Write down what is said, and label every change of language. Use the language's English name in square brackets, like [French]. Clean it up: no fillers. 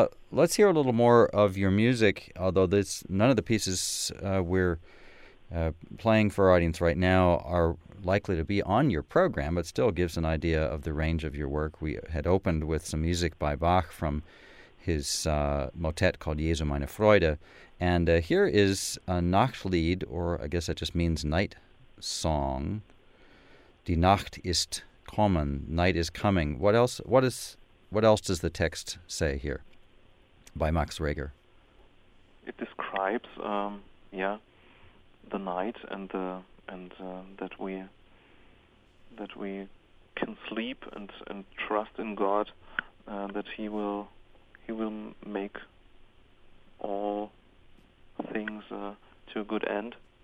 [English] Let's hear a little more of your music, although none of the pieces we're playing for our audience right now are likely to be on your program, but still gives an idea of the range of your work. We had opened with some music by Bach from his motet called Jesu meine Freude, and here is a Nachtlied, or I guess that just means night song. [German] Die Nacht ist kommen, [English] night is coming. What else does the text say here? By Max Reger. It describes, the night and that we can sleep and trust in God, that He will make all things to a good end.